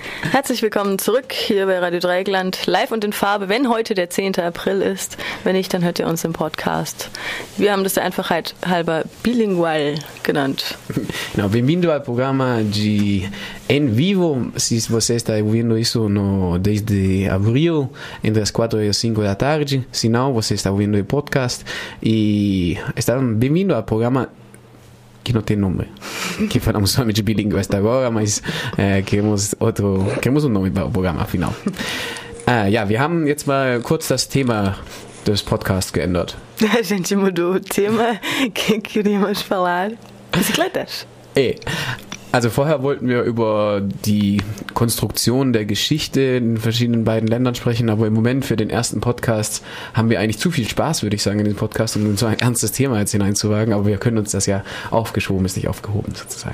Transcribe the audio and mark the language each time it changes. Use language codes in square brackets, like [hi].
[de] Herzlich willkommen zurück hier bei Radio Dreieckland, live und in Farbe, wenn heute der 10. April ist. Wenn nicht, dann hört ihr uns im Podcast. Wir haben das der Einfachheit halber bilingual genannt. [pt] Genau, bem-vindo ao programa de En Vivo, se você está ouvindo isso no, desde abril, entre as 4 e 5 da tarde. Se não, você está ouvindo o podcast e está bem-vindo ao programa que não tem nome, que falamos nome de bilíngue até agora, mas queremos um nome para o programa, afinal. [de] Wir haben jetzt mal kurz das Thema des Podcasts geändert. [pt] A gente mudou o tema que queríamos falar. Bicicletas. [de] Also vorher wollten wir über die Konstruktion der Geschichte in verschiedenen beiden Ländern sprechen, aber im Moment für den ersten Podcast haben wir eigentlich zu viel Spaß, würde ich sagen, in den Podcast, um in so ein ernstes Thema jetzt hineinzuwagen, aber wir können uns das ja aufgeschoben, ist nicht aufgehoben sozusagen.